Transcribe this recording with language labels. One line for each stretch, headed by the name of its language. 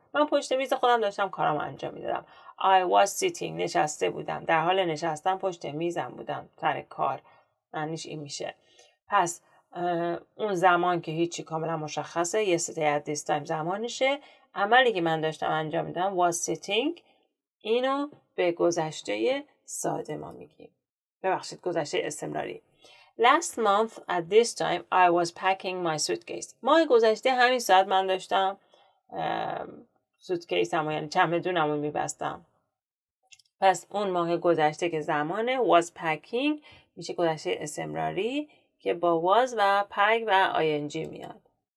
Persian: من پشت میز خودم داشتم کارامو انجام میدادم.
English: I was sitting
Persian: نشسته بودم، در حال نشستم پشت میزم بودم سر کار، معنیش این میشه. پس اون زمان که هیچی کاملا مشخصه،
English: yesterday at this time
Persian: زمانشه، عملی که من داشتم انجام میدادم
English: was sitting،
Persian: اینو به گذشته ساده ما میگیم، ببخشید گذشته استمراری.
English: Last month at this time I was packing my suitcase.
Persian: ماه گذشته همین ساعت من داشتم سوتکیسم و یعنی چمدونم رو میبستم. پس اون ماه گذشته که زمانه،
English: was packing
Persian: میشه گذشته استمراری که با was و pack و ing میاد.